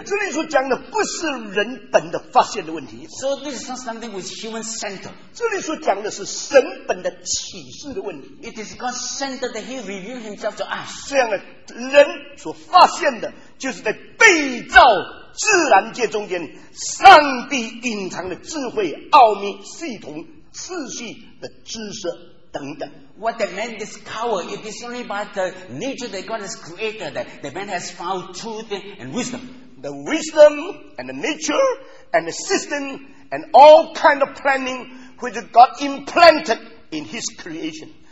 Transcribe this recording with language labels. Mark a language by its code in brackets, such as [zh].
[zh] 我们在自然里面发现这个真理，但是神按照自己的主动呢，从他天上宝座把自己显明给我们。所以这里所讲的不是人本的发现的问题。 [en] So this is not something which is human centered. [zh] 这里所讲的是神本的启示的问题。 [en] It is God centered that he revealed himself to us. [zh] 这样的人所发现的就是在被造 自然界中间，上帝隐藏的智慧、奥秘、系统、次序的知识等等。 [en] What the man discovered, it is only by the nature that God has created that the man has found truth and wisdom. The wisdom and the nature and the system and all kind of planning which God implanted in his creation.